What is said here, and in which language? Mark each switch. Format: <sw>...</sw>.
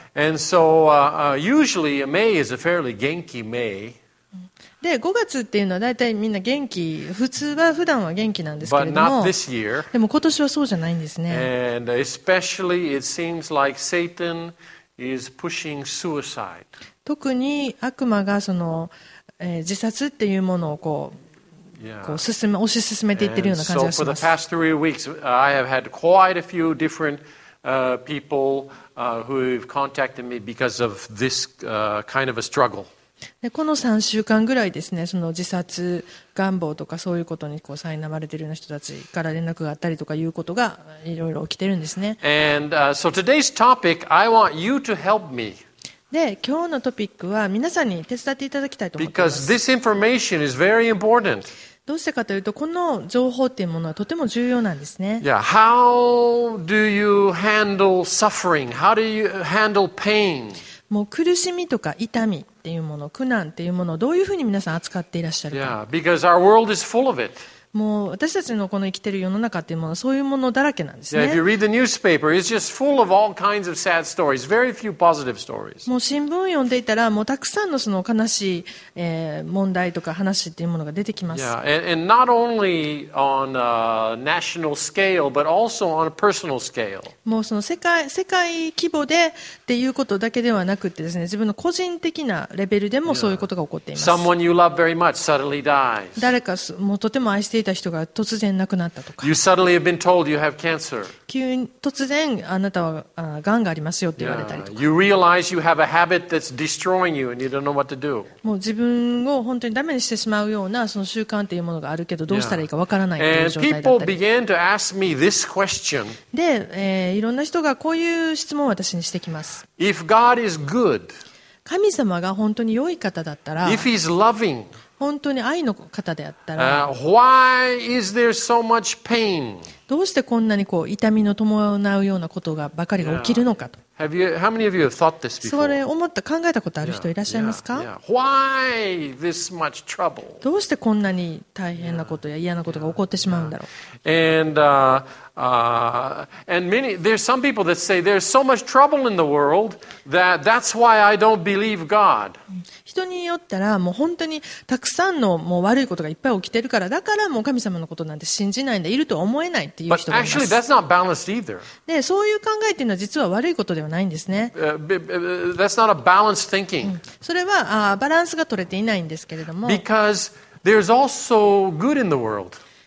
<en>And so, usually May is a fairly 元気 May.</en> <ja>で5月っていうのは大体みんな元気、普通は普段は元気なんですけれども、でも今年はそうじゃないんですね。</ja> <en>And especially it seems like Satan is pushing suicide.</en> <ja>特に悪魔がその、自殺っていうものをこう、押し進めていってるような感じがします。</ja> <en>And so for the past three weeks, I have had quite a few different people who have contacted me because of this kind of a struggle.</en> <ja>でこの3週間ぐらいですね、その自殺願望とかそういうことにこう苛まれているような人たちから連絡があったりとかいうことがいろいろ起きているんですね。</ja> <en>And, so today's topic, I want you to help me.</en> <ja>で今日のトピックは皆さんに手伝っていただきたいと思います。</ja> <en>Because this information is very important.</en> <ja>どうしてかというと、この情報というものはとても重要なんですね。</ja> <en>Yeah. How do you handle suffering? How do you handle pain?</en> <ja>もう苦しみとか痛みっていうもの、苦難っていうものをどういうふうに皆さん扱っていらっしゃるか。</ja> <en>Yeah, because our world is full of it.</en> <ja>もう私たちのこの生きている世の中っていうものはそういうものだらけなんですね。</ja> <en>Yeah, if you read the newspaper, it's just full of all kinds of sad stories. Very few positive stories.</en> <ja>もう新聞を読んでいたら、もうたくさんのその悲しい、問題とか話っていうものが出てきます。</ja> <en>Yeah, and not only on a national scale, but also on a personal scale.</en> <ja>もうその世界規模でっていうことだけではなくてですね、自分の個人的なレベルでもそういうことが起こっています。</ja> <en>Yeah. Someone you love very much suddenly dies.</en> <ja>誰かもうとても愛していた人が突然亡くなったとか。</ja> <en>You suddenly have been told you have cancer.</en> <ja>急に突然あなたはがんがありますよって言われたりとか。</ja> <en>You realize you have a habit that's destroying you and you don't know what to do.</en> <ja>もう自分を本当にダメにしてしまうようなその習慣というものがあるけどどうしたらいいかわからないという状態だったり。</ja> <en>And people began to ask me this question.</en> <ja>で、いろんな人がこういう質問を私にしてきます。</ja> <en>If God is good.</en> <ja>神様が本当に良い方だったら。</ja> <en>If he's loving.</en> <ja>本当に愛の方であったら、</ja> <en>why is there so much pain?</en> <ja>どうしてこんなにこう痛みの伴うようなことがばかりが起きるのかと。</ja> <en>Yeah. Have you, how many of you have thought this before?</en> <ja>それ思った、考えたことある人いらっしゃいますか？</ja> <en>Yeah. Yeah. Yeah. Why this much trouble?</en> <ja>どうしてこんなに大変なことや嫌なことが起こってしまうんだろう。</ja> <en>Yeah. Yeah. And, And many, there's some people that say there's so much trouble in the world that that's why I don't believe God.</en> <ja>人によったらもう本当にたくさんのもう悪いことがいっぱい起きてるからだからもう神様のことなんて信じないんでいると思えないっていう人もいます。</ja> <en>But actually, that's not balanced either.</en> <ja>で、そういう考えっていうのは実は悪いことではないんですね。</ja> <en>That's not a balanced thinking.</en> <ja>それはバランスが取れていないんですけれども。</ja> <en>Because there's also good in the world.</en>